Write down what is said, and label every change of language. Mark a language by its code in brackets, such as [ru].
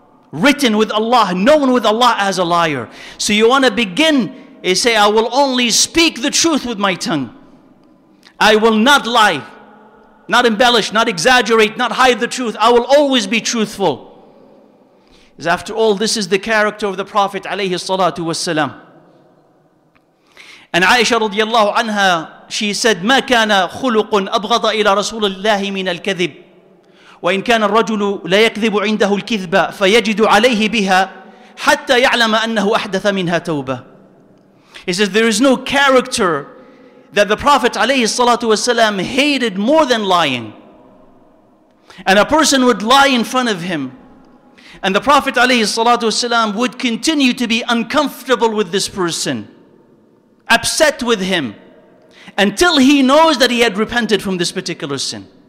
[en] Written with Allah, known with Allah as a liar. So you want to begin, you say, I will only speak the truth with my tongue. I will not lie, not embellish, not exaggerate, not hide the truth. I will always be truthful. Because after all, this is the character of the Prophet alayhi salatu wasalam. And Aisha radiallahu anha, she said, [ar] ما كان خلق أبغض إلى رسول الله من الكذب وإن كان الرجل لا يكذب عنده الكذبة فيجد عليه بها حتى يعلم أنه أحدث منها توبة. [en] He says, there is no character that the Prophet عليه الصلاة والسلام hated more than lying. And a person would lie in front of him, and the Prophet عليه الصلاة والسلام would continue to be uncomfortable with this person, upset with him, until he knows that he had repented from this particular sin.